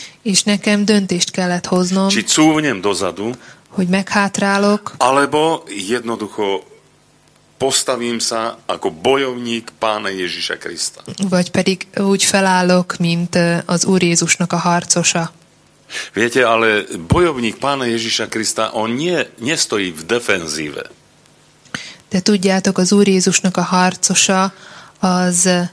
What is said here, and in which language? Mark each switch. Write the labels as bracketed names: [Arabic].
[Hungarian] és nekem döntést kellett hoznom, [Slovak] či cúvnem dozadu, [Hungarian] hogy meghátrálok, [Slovak] alebo jednoducho postavím sa ako bojovník Pána Ježiša Krista. [Hungarian] Vagy pedig úgy felállok, mint az Úr Jézusnak a harcosa. [Slovak] Viete, ale bojovník Pána Ježiša Krista, on nestojí v defenzíve. [Hungarian] De tudjátok, az Úr Jézusnak a harcosa, az...